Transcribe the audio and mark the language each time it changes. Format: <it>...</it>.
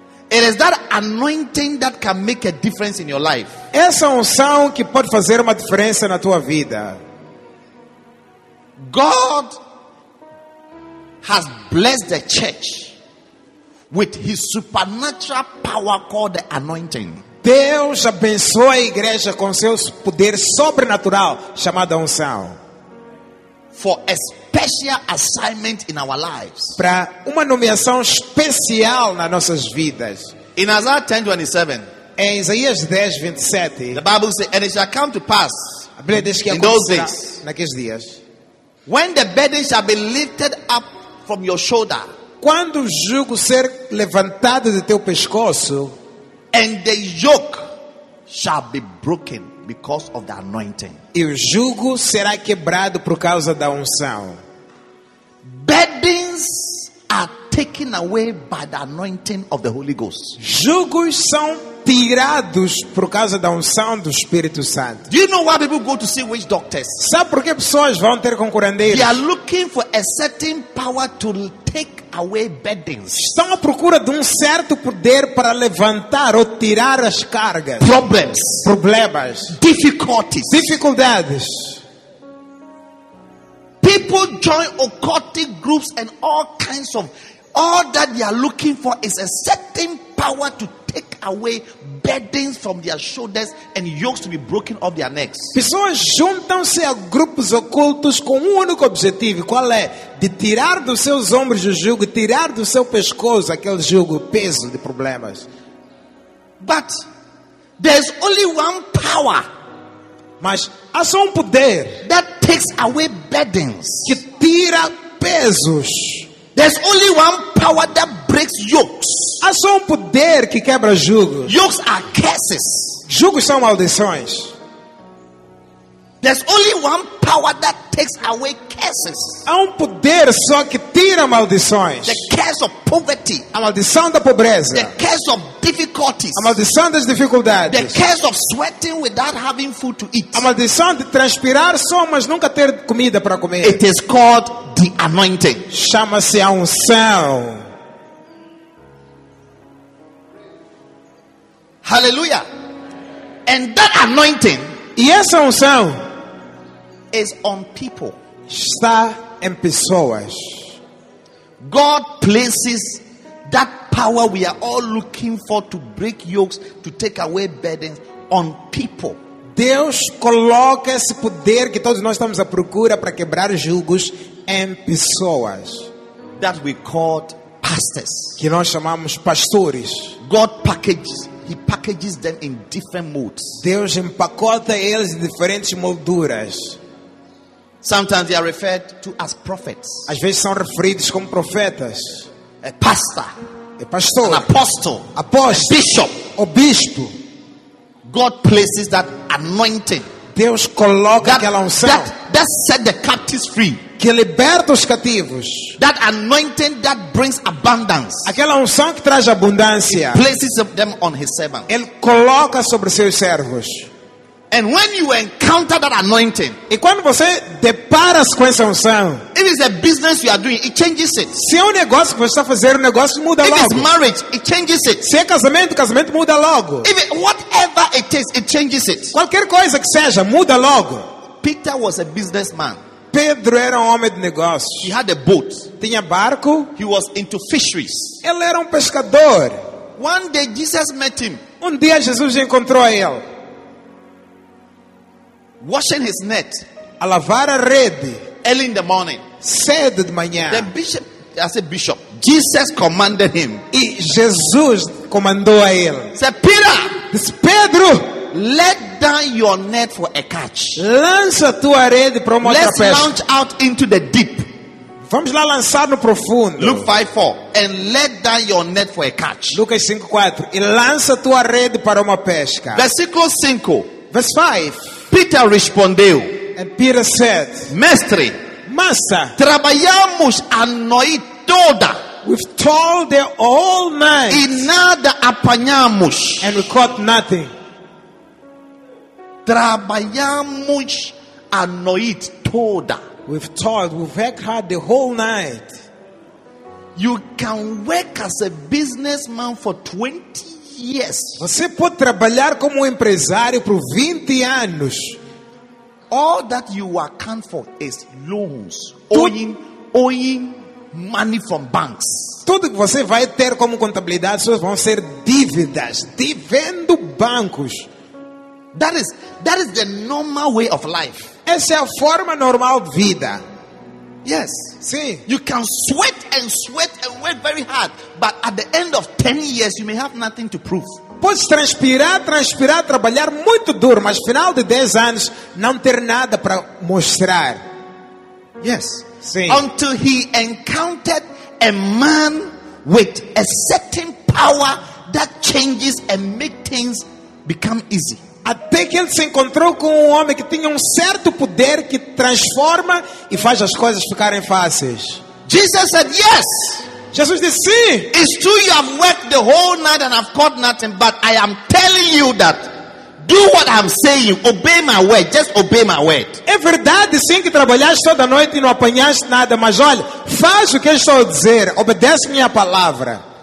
<en>It is that anointing that can make a difference in your life.</en> <pt>Essa unção que pode fazer uma diferença na tua vida.</pt> <en>God has blessed the church with his supernatural power called the anointing.</en> <pt>Deus abençoa a igreja com seu poder sobrenatural chamado unção.</pt> <en>For a special assignment in our lives.</en> <pt>Para uma nomeação especial nas nossas vidas.</pt> <en>In Isaiah 10:27.</en> <pt>Em Isaías 10:27.</pt> <en>The Bible says, and it shall come to pass.</en> <pt>A Bíblia diz que acontecerá naqueles dias.</pt> <en>When the burden shall be lifted up from your shoulder.</en> <pt>Quando o jugo ser levantado de teu pescoço.</pt> <en>And the yoke shall be broken because of the anointing.</en> <pt>E o jugo será quebrado por causa da unção.</pt> <en>Burdens are taken away by the anointing of the Holy Ghost.</en> <pt>Jugos são tirados por causa da unção do Espírito Santo.</pt> <en>Do you know why people go to see witch doctors?</en> <pt>Sabe por que pessoas vão ter com curandeiros?</pt> <en>They are looking for a certain power to take away burdens.</en> <pt>Estão à procura de um certo poder para levantar ou tirar as cargas.</pt> <en>Problems.</en> <pt>Problemas.</pt> <en>Difficulties.</en> <pt>Dificuldades.</pt> <en>People join occultic groups and all kinds of. All that they are looking for is a certain power to take away burdens from their shoulders and yokes to be broken off their necks.</en> <pt>Pessoas juntam-se a grupos ocultos com um único objetivo. Qual é? De tirar dos seus ombros o jugo, tirar do seu pescoço aquele jugo, peso de problemas.</pt> <en>But there's only one power.</en> <pt>Mas há só um poder.</pt> <en>That takes away burdens.</en> <pt>Que tira pesos.</pt> <en>There's only one power that breaks yokes.</en> <pt>Há só um poder que quebra jugos.</pt> <en>Yokes are curses.</en> <pt>Jugos são maldições.</pt> <en>There's only one power that takes away curses.</en> <pt>Há um poder só que tira maldições.</pt> <en>The curse of poverty.</en> <pt>A maldição da pobreza.</pt> <en>The curse of difficulties.</en> <pt>A maldição das dificuldades.</pt> <en>The curse of sweating without having food to eat.</en> <pt>A maldição de transpirar só, mas nunca ter comida para comer.</pt> <en>It is called the anointing.</en> <pt>Chama-se a unção.</pt> <en>Hallelujah. And that anointing,</en> <pt>e essa unção,</pt> <en>is on people.</en> <pt>Está em pessoas.</pt> <en>God places that power we are all looking for to break yokes, to take away burdens on people.</en> <pt>Deus coloca esse poder que todos nós estamos à procura para quebrar jugos em pessoas.</pt> <en>That we call pastors.</en> <pt>Que nós chamamos pastores.</pt> <en>God packages He packages them in different modes.</en> <pt>Deus empacota eles em diferentes molduras.</pt> <en>Sometimes they are referred to as prophets.</en> <pt>Às vezes são referidos como profetas.</pt> <en>A pastor.</en> <pt>A pastor.</pt> <en>An apostle.</en> <pt>Apóstolo.</pt> <en>Bishop.</en> <pt>O bispo.</pt> <en>God places that anointing.</en> <pt>Deus coloca</pt> <en>that,</en> <pt>aquela unção.</pt> <en>That set the captives free.</en> <pt>Que liberta os cativos.</pt> <en>That anointing that brings abundance.</en> <pt>Aquela unção que traz abundância.</pt> <en>He places them on his servants.</en> <pt>Ele coloca sobre seus servos.</pt> <en>And when you encounter that anointing,</en> <pt>e quando você depara-se com essa unção,</pt> <en>if it's a business you are doing, it changes it.</en> <pt>Se é negócio que você está fazendo, o negócio muda</pt> <en>if</en> <pt>logo.</pt> <en>If it's marriage, it changes it.</en> <pt>Se é casamento, o casamento muda logo.</pt> <en>If it, whatever it is, it changes it.</en> <pt>Qualquer coisa que seja, muda logo.</pt> <en>Peter was a businessman.</en> <pt>Pedro era homem de negócio.</pt> <en>He had a boat.</en> <pt>Tinha barco.</pt> <en>He was into fisheries.</en> <pt>Ele era pescador.</pt> <en>One day Jesus met him.</en> <pt>Dia Jesus encontrou ele.</pt> <en>Washing his net,</en> <pt>a lavar a rede,</pt> <en>early in the morning,</en> <pt>cedo de manhã.</pt> <en>The bishop, I said bishop, Jesus commanded him.</en> <pt>E Jesus comandou a ele.</pt> <en>Said Peter, this Pedro, let down your net for a catch.</en> <pt>Lança tua rede para uma</pt> <en>Let's</en> <pt>outra pesca.</pt> <en>Let's launch out into the deep.</en> <pt>Vamos lá lançar no profundo.</pt> <en>Luke 5:4, and let down your net for a catch.</en> <pt>Lucas 5:4, e lança tua rede para uma pesca. Versículo 5.</pt> <en>Verse 5.</en> <pt>Peter respondeu.</pt> <en>And Peter said,</en> <pt>Mestre,</pt> <en>Master,</en> <pt>trabalhamos a noite toda.</pt> <en>We've toiled there all night.</en> <pt>E nada apanhamos.</pt> <en>And we caught nothing.</en> <pt>Trabalhamos a noite toda.</pt> <en>We've toiled, we've worked hard the whole night. You can work as a businessman for 20 years. Yes.</en> <pt>Você pode trabalhar como empresário por 20 anos.</pt> <en>All that you account for is loans, owing money from banks.</en> <pt>Tudo que você vai ter como contabilidade só vão ser dívidas, devendo bancos.</pt> <en>That is the normal way of life.</en> <pt>Essa é a forma normal de vida.</pt> <en>Yes. See, you can sweat and work very hard, but at the end of 10 years you may have nothing to prove.</en> <pt>Podes transpirar, trabalhar muito duro, mas final de 10 anos não ter nada para mostrar.</pt> <en>Yes. See. Until he encountered a man with a certain power that changes and makes things become easy.</en> <pt>Até que ele se encontrou com um homem que tinha um certo poder que transforma e faz as coisas ficarem fáceis.</pt> <en>Jesus said yes.</en> <pt>Jesus disse sim.</pt> <en>It's true you have worked the whole night and have caught nothing, but I am telling you that do what I'm saying, obey my word, just obey my word.</en> <pt>É verdade sim que trabalhaste toda noite e não apanhaste nada, mas olha, faz o que eu estou a dizer, obedece minha palavra.</pt>